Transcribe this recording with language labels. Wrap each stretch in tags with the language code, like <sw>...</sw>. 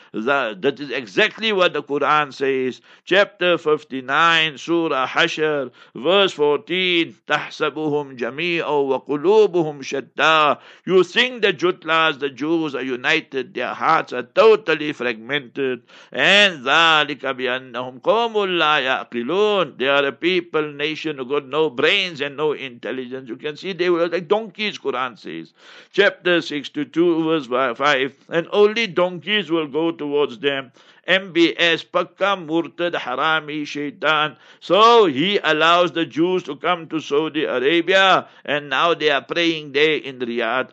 <en>That is exactly what the Quran says. Chapter 59, Surah Hashr, verse 14,</en> <ar>تَحْسَبُهُمْ جَمِيعًا وَقُلُوبُهُمْ شَتَّى.</ar> <en>You think the Jutlas, the Jews, are united. Their hearts are totally fragmented. And</en> <ar>ذَلِكَ بِأَنَّهُمْ قَوْمٌ لَا يَعْقِلُونَ.</ar> <en>They are a people, nation who got no brains and no intelligence. You can see they were like donkeys, Quran says. Chapter 62, verse 5. And only donkeys will go towards them. MBS, Pakka Murtad Harami Shaitan. So he allows the Jews to come to Saudi Arabia, and now they are praying there in Riyadh.</en>